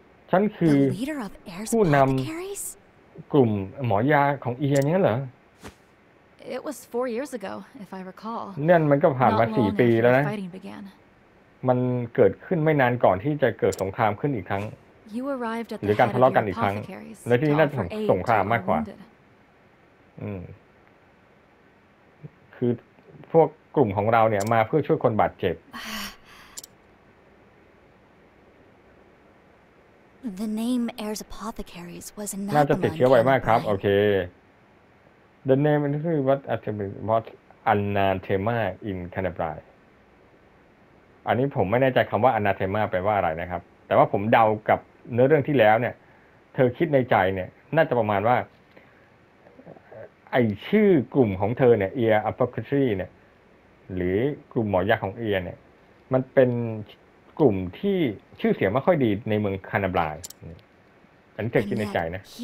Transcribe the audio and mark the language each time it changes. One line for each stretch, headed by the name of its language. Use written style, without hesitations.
Thai: ฉันคือผู้นำกลุ่มหมอยาของเอียเนี่ยเหร
English: อ It was 4 years ago if I recall
Thai: เนี่ยมันก็ผ่านมา4ปีแล้วนะมันเกิดขึ้นไม่นานก่อนที่จะเกิดสงครามขึ้นอีกครั้งหรือการทะเลาะกันอีกครั้งและที่นี่น่าจะสงครามมากกว่าคือพวกกลุ่มของเราเนี่ยมาเพื่อช่วยคนบาดเจ็บ
English: The name Air's Apothecaries was anathema.
Thai: น่าจะติดเชื้อไวมากครับโอเค
English: The name
Thai: นี่คือ
English: what anathema in Canterbury.
Thai: อันนี้ผมไม่แน่ใจคำว่า anathema แปลว่าอะไรนะครับแต่ว่าผมเดากับเนื้อเรื่องที่แล้วเนี่ยเธอคิดในใจเนี่ยน่าจะประมาณว่าไอ้ชื่อกลุ่มของเธอเนี่ย Air Apothecary เนี่ยหรือกลุ่มหมอยาของเอียเนี่ยมันเป็นกลุ่มที่ชื่อเสียงไม่ค่อยดีในเมืองคานาบรายอันเกิดขึ้นในใจนะ